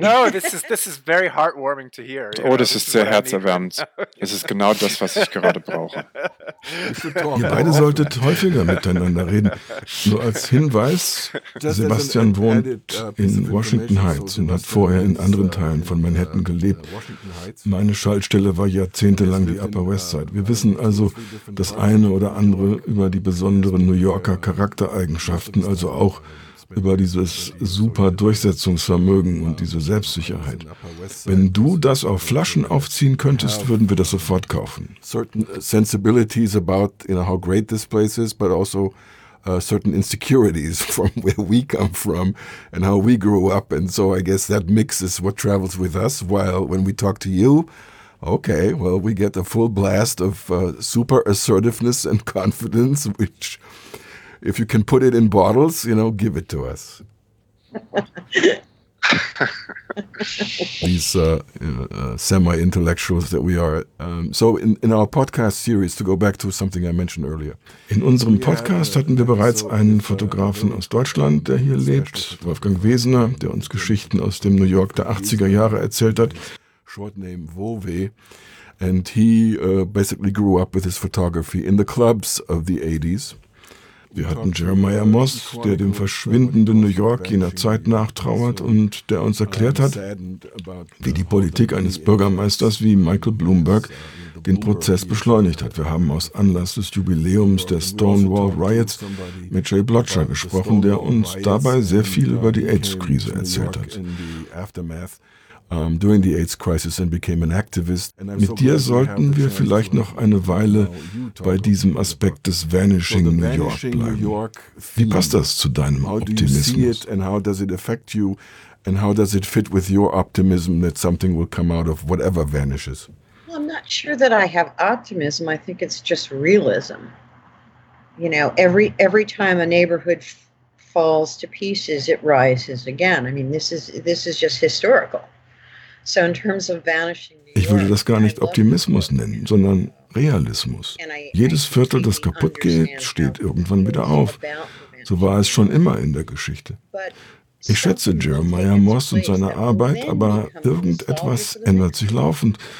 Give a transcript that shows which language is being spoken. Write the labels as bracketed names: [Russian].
[English] No, this is very heartwarming to hear. Yeah. [German] Oh, das ist sehr herzerwärmend. Es ist genau das, was ich gerade brauche. Ihr beide solltet häufiger miteinander reden. Nur als Hinweis, Sebastian wohnt in Washington Heights und hat vorher in anderen Teilen von Manhattan gelebt. Meine Schaltstelle war jahrzehntelang die Upper West Side. Wir wissen also das eine oder andere über die besonderen New Yorker Charaktereigenschaften, also auch über dieses super Durchsetzungsvermögen und diese Selbstsicherheit. Wenn du das auf Flaschen aufziehen könntest, würden wir das sofort kaufen. [English] Certain sensibilities about, you know, how great this place is, but also certain insecurities from where we come from and how we grew up. And so I guess that mix is what travels with us, while when we talk to you, okay, well, we get a full blast of super assertiveness and confidence, which... If you can put it in bottles, you know, give it to us. These semi-intellectuals that we are. So in our podcast series, to go back to something I mentioned earlier. [German] In unserem Podcast hatten wir bereits einen Fotografen aus Deutschland, der hier lebt, Wolfgang Wesener, der uns Geschichten aus dem New York der 80er Jahre erzählt hat. [English] Short name Wowe. And he basically grew up with his photography in the clubs of the 80s. [German] Wir hatten Jeremiah Moss, der dem verschwindenden New York jener Zeit nachtrauert und der uns erklärt hat, wie die Politik eines Bürgermeisters wie Michael Bloomberg den Prozess beschleunigt hat. Wir haben aus Anlass des Jubiläums der Stonewall Riots mit Jay Blotcher gesprochen, der uns dabei sehr viel über die AIDS-Krise erzählt hat. [English] During the AIDS crisis and became an activist. [German] Mit dir sollten wir vielleicht noch eine Weile bei diesem Aspekt des Vanishing New York bleiben. Wie passt das zu deinem Optimismus? [English] How do you see it and how does it affect you and how does it fit with your optimism that something will come out of whatever vanishes? Well, I'm not sure that I have optimism. I think it's just realism. You know, every time a neighborhood falls to pieces, it rises again. I mean, this is just historical. So in terms of vanishing New York, [German] ich würde das gar nicht Optimismus nennen, sondern Realismus. Jedes Viertel, das kaputt geht, steht irgendwann wieder auf. So war es schon immer in der Geschichte. Ich schätze Jeremiah Moss und seine Arbeit, aber irgendetwas ändert sich laufend.